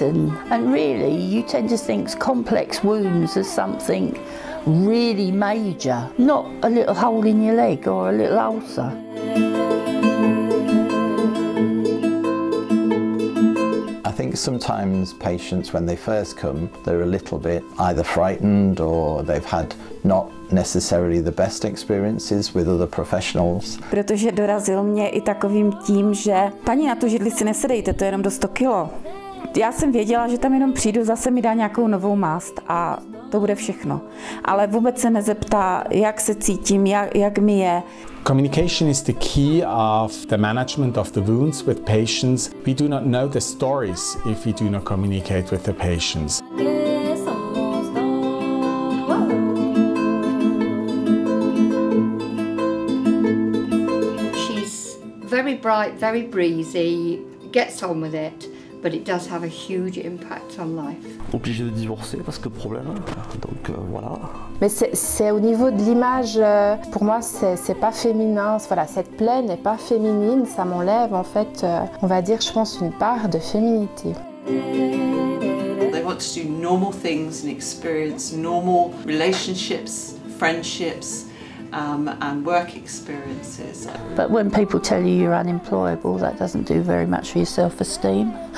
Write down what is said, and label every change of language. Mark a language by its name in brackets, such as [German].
[English] And really, you tend to think complex wounds as something really major, not a little hole in your leg or a little ulcer. Sometimes patients, when they first come, they're a little bit either frightened or they've had not necessarily the best experiences with other professionals. [Czech] Protože dorazil mě I takovým tím, že paní, na tu židli si nesedejte, to je jenom do 100 kilo. Já jsem věděla, že tam jenom přijdu, zase mi dá nějakou novou mást a to bude všechno. Ale vůbec se nezeptá, jak se cítím, jak mi je. [English] Communication is the key of the management of the wounds with patients. We do not know the stories if we do not communicate with the patients. She's very bright, very breezy, gets on with it. But it does have a huge impact on life. [French] Obligé de divorcer parce que problème. Donc voilà. Mais c'est au niveau de l'image. Pour moi, c'est pas féminin. Voilà, cette plaie n'est pas féminine. Ça m'enlève en fait, on va dire, je pense, une part de féminité. [English] They want to do normal things and experience normal relationships, friendships, and work experiences. But when people tell you you're unemployable, that doesn't do very much for your self-esteem.